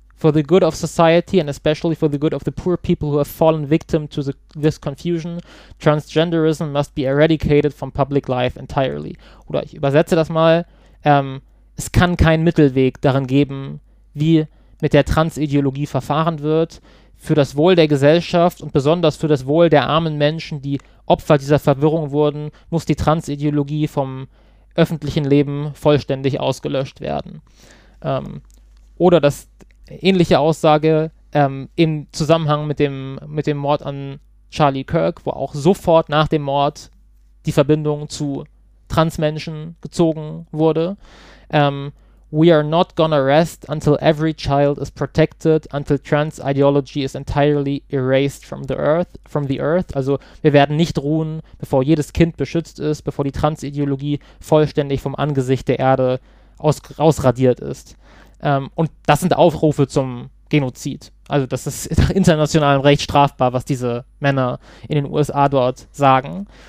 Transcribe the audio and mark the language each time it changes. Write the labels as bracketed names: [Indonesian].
[English] For the good of society and especially for the good of the poor people who have fallen victim to this confusion, transgenderism must be eradicated from public life entirely." [German] Oder ich übersetze das mal, es kann keinen Mittelweg darin geben, wie mit der Trans-Ideologie verfahren wird. Für das Wohl der Gesellschaft und besonders für das Wohl der armen Menschen, die Opfer dieser Verwirrung wurden, muss die Trans-Ideologie vom öffentlichen Leben vollständig ausgelöscht werden. Oder das ähnliche Aussage im Zusammenhang mit dem Mord an Charlie Kirk, wo auch sofort nach dem Mord die Verbindung zu Transmenschen gezogen wurde. [English] "We are not gonna rest until every child is protected, until trans ideology is entirely erased from the earth. [German] Also wir werden nicht ruhen, bevor jedes Kind beschützt ist, bevor die Trans-Ideologie vollständig vom Angesicht der Erde rausradiert ist. Und das sind Aufrufe zum Genozid. Also das ist nach internationalem Recht strafbar, was diese Männer in den USA dort sagen.